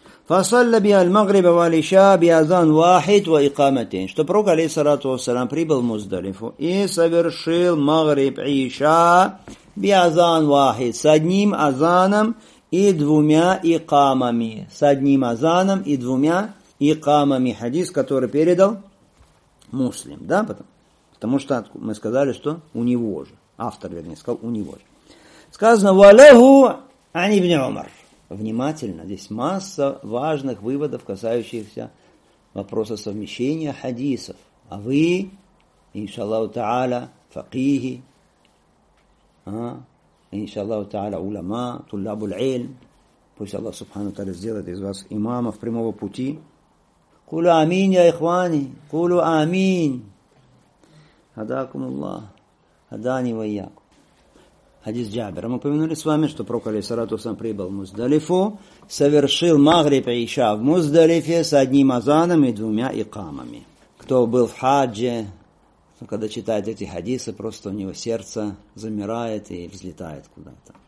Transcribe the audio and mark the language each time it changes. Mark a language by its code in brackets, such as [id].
[ar] فصلى بها المغرب والعشاء بأذان واحد وإقامتين. [ru] Что пророк алейхиссалату вассалям прибыл в Муздалифу и совершил магриб и иша [ar] بأذان واحد. [ru] С одним азаном и двумя икамами. С одним азаном и двумя икамами. Хадис, который передал Муслим. Да? Потому что мы сказали, что у него же. Автор, вернее, сказал, у него же. Сказано, [ar] валяху ан ибн Умар. [ru] Внимательно, здесь масса важных выводов, касающихся вопроса совмещения хадисов. А вы, иншаллаху та'аля, факихи, иншаллаху та'аля, улама, туллабуль-ильм, пусть Аллах, субхану та'аля, сделает из вас имамов прямого пути. [ar] قولوا آمين يا إخواني، قولوا آمين. هداكم الله، هداني وإياكم. حديث جابر. [ru] Мы упомянули с вами, что пророк алейхиссалату вассалям прибыл в Муздалифу, совершил магриб и иша в Муздалифе с одним азаном и двумя икамами. Кто был в хадже, когда читает эти хадисы, просто у него сердце замирает и взлетает куда-то.